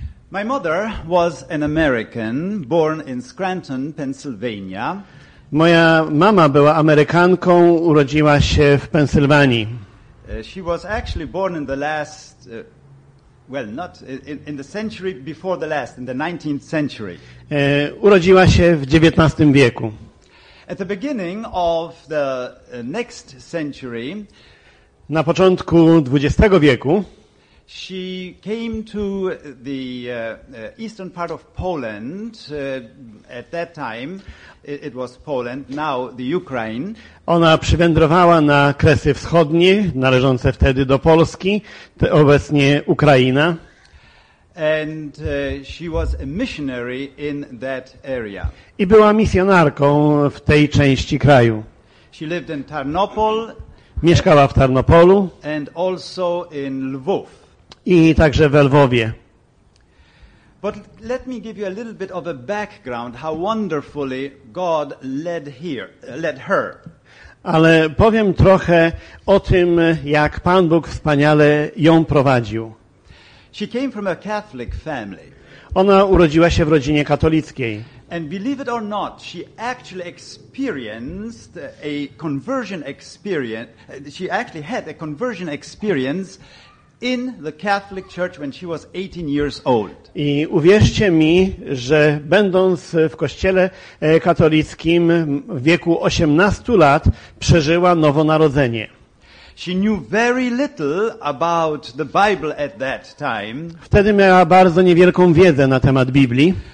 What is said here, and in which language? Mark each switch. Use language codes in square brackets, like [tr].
[en] My mother was an American, born in Scranton, Pennsylvania. [pl] Moja mama była Amerykanką, urodziła się w Pensylwanii. [en] She was actually born in the last, well, not in, in the century before the last, in the 19th century. [pl] Urodziła się w XIX wieku. [en] At the beginning of the next century, [pl] na początku XX wieku, [en] she came to the eastern part of Poland at that time. It was Poland, now the Ukraine. [pl] Ona przywędrowała na kresy wschodnie, należące wtedy do Polski, obecnie Ukraina. [en] And she was a missionary in that area. [pl] I była misjonarką w tej części kraju. [en] She lived in Tarnopol. [pl] Mieszkała w Tarnopolu. [en] And also in Lwów. [pl] I także we Lwowie. [en] But let me give you a little bit of a background how wonderfully God led her. [pl] Ale powiem trochę o tym, jak Pan Bóg wspaniale ją prowadził. [en] She came from a Catholic family. [pl] Ona urodziła się w rodzinie katolickiej. [en] And believe it or not, she actually experienced a conversion experience. She actually had a conversion experience in the Catholic Church when she was 18 years old. [pl] I uwierzcie mi, że będąc w kościele katolickim w wieku 18 lat przeżyła nowonarodzenie. [en] She knew very little about the Bible at that time. [pl] Wtedy miała bardzo niewielką wiedzę na temat Biblii.